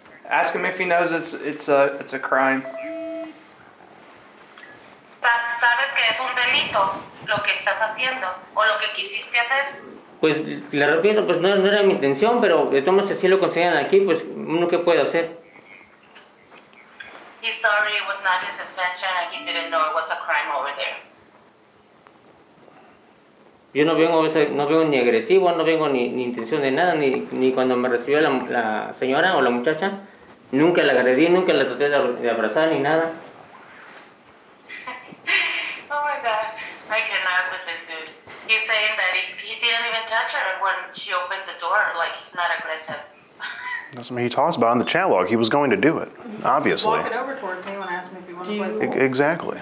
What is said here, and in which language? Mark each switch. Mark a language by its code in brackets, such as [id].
[en] Ask him if he knows it's a crime. [es] ¿Sabes que es un delito lo que estás haciendo o lo que quisiste hacer? Pues le repito, pues no era mi intención, pero de todas maneras si lo consiguen aquí, pues uno qué puede hacer. [en] He's sorry, it was not his intention and he didn't know it was a crime over there. [es] Yo no vengo ni agresivo, no vengo ni intención de nada, ni cuando me recibió la señora o la muchacha. Nunca la agredí, nunca la traté de abrazar ni nada. [en] Oh my God, I cannot with this dude. He's saying that he didn't even touch her when she opened the door, like he's not aggressive. That's what he talks about on the chat log. He was going to do it, obviously. Walk it over towards me when I ask him if he wanted to play pool. Exactly.